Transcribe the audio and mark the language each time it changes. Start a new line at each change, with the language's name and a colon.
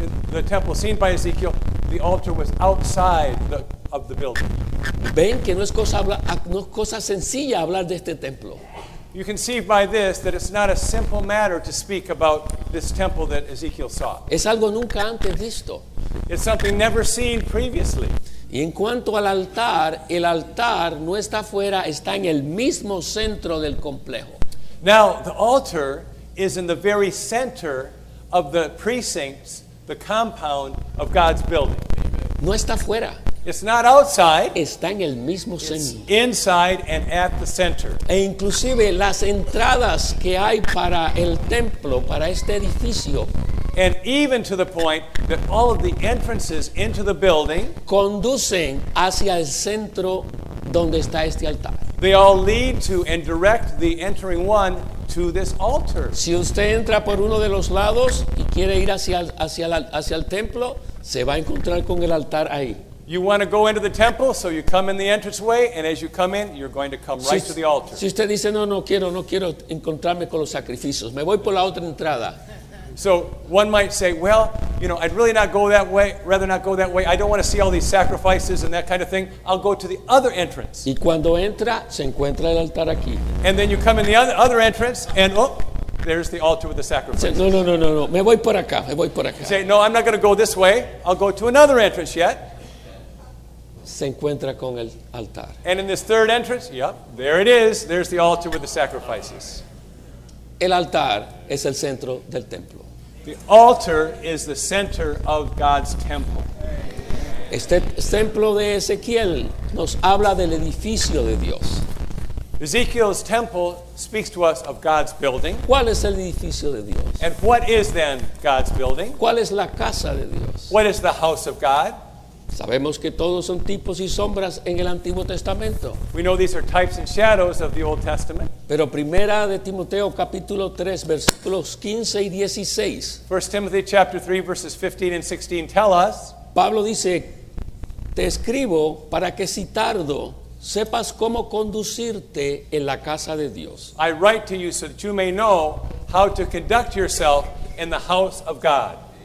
English: The temple seen by Ezekiel, the altar was outside of the building.
Spanish: Ven que no es cosa sencilla hablar de este templo.
English: You can see by this that it's not a simple matter to speak about this temple that Ezekiel saw.
Spanish: Es algo nunca antes visto.
English: It's something never seen previously.
Spanish: Y en cuanto al altar, el altar no está afuera, está en el mismo centro del complejo.
English: Now, the altar is in the very center of the precincts, the compound of God's building.
Spanish: No está afuera.
English: It's not outside.
Spanish: Está en el mismo centro.
English: It's inside and at the center.
Spanish: E inclusive las entradas que hay para el templo, para este edificio.
English: And even to the point that all of the entrances into the building
Spanish: conducen hacia el centro donde está este altar.
English: They all lead to and direct the entering one to this altar.
Spanish: Si usted entra por uno de los lados y quiere ir hacia el templo, se va a encontrar con el altar ahí.
English: You want to go into the temple, so you come in the entranceway, and as you come in, you're going to come right to the altar.
Spanish: Si usted dice, no quiero encontrarme con los sacrificios, me voy por la otra entrada.
English: So one might say, well, you know, I'd really not go that way, rather not go that way. I don't want to see all these sacrifices and that kind of thing. I'll go to the other entrance.
Spanish: Y cuando entra, se encuentra el altar aquí.
English: And then you come in the other entrance, and oh, there's the altar with the sacrifices.
Spanish: No. Me voy por acá. Me voy por acá.
English: Say, no, I'm not going to go this way. I'll go to another entrance yet.
Spanish: Se encuentra con el altar.
English: And in this third entrance, yep, there it is. There's the altar with the sacrifices.
Spanish: El altar es el centro del templo.
English: The altar is the center of God's temple.
Spanish: Este templo de Ezequiel nos habla del edificio de Dios.
English: Ezekiel's temple speaks to us of God's building.
Spanish: ¿Cuál es el edificio de Dios?
English: And what is then God's building?
Spanish: ¿Cuál es la casa de Dios?
English: What is the house of God?
Spanish: Sabemos que todos son tipos y sombras en el Antiguo Testamento.
English: We know these are types and shadows of the Old Testament.
Spanish: Pero Primera de Timoteo capítulo 3 versículos 15 y 16.
English: 1 Timothy chapter 3 verses 15 and 16 tell us.
Spanish: Pablo dice, te escribo para que si tardo sepas cómo conducirte en la casa de Dios.
English: I write to you so that you may know how to conduct yourself in the house of God.